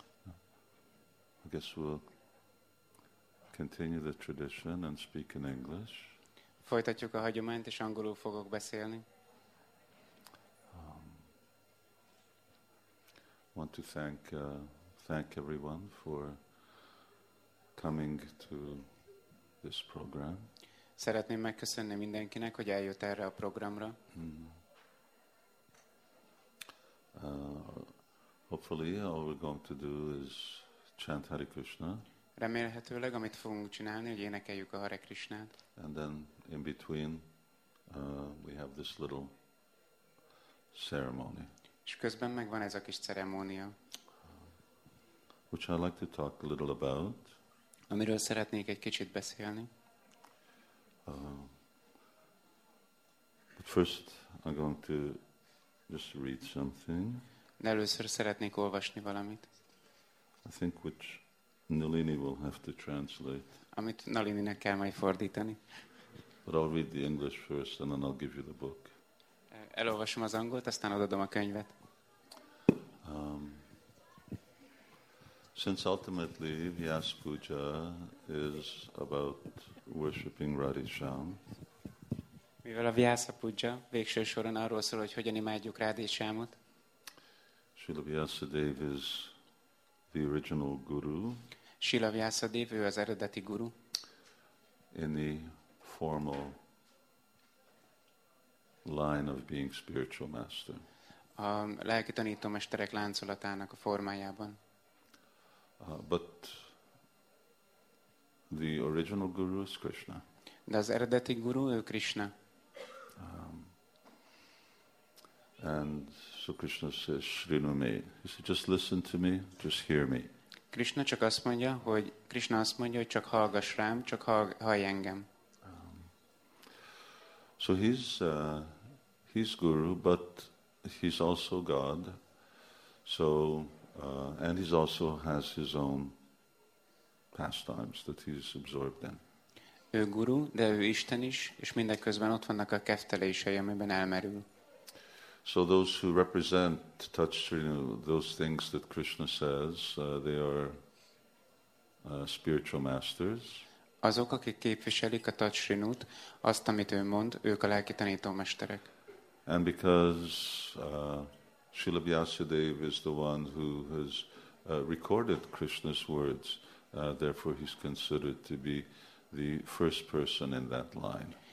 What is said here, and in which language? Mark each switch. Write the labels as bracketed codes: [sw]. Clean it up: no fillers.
[en] I guess we'll continue the tradition and speak in English. [hu] Folytatjuk a hagyományt, és angolul fogok beszélni. [en] Want to thank everyone for coming to this program. [hu] Szeretném megköszönni mindenkinek, hogy eljött erre a programra. [en] Hopefully all we're going to do is chant Hare Krishna. [hu] Remélhetőleg, amit fogunk csinálni, hogy énekeljük a Hare Krishnát. [en] And then in between we have this little ceremony. [hu] És közben megvan ez a kis ceremónia. [en] Which I'd like to talk a little about. [hu] Amiről szeretnék egy kicsit beszélni. [en] But first I'm going to just read something. [hu] De először szeretnék olvasni valamit. [en] I think which Nalini will have to translate. [hu] Amit Nalininek kell majd fordítani. [en] But I'll read the English first and then I'll give you the book. [hu] Elolvasom az angolt, aztán odaadom a könyvet. [en] Since ultimately Vyas Puja is about worshipping Radhisham, [hu] mivel a Vyasa Puja végső soron arról szól, hogy hogyan imádjuk Radhisámot, [en] Srila Vyasadev is the original guru. [hu] Srila Vyasadev, ő az eredeti guru. [en] In the formal line of being spiritual master. [hu] A lelki tanítómesterek láncolatának a formájában. [en] But the original guru is Krishna. [hu] De az eredeti guru, ő Krishna. [en] And so Krishna says, Srinume. He said, just listen to me, just hear me. [hu] Krishna csak azt mondja, hogy Krishna azt mondja, hogy csak hallgass rám, csak hallj engem. [en] So he's guru, but he's also God. So and he also has his own pastimes that he's absorbed in. [hu] Ő guru, de ő Isten is, és mindeközben ott vannak a keftelései, amiben elmerül. [en] So those who represent touch Srinu, those things that Krishna says, they are spiritual masters. [hu] Azok, akik képviselik a touch Srinut, azt, amit ő mond, ők a lelki tanítómesterek. [en] And because Srila Vyasadeva is the one who has recorded Krishna's words, therefore he's considered to be the first person in that line.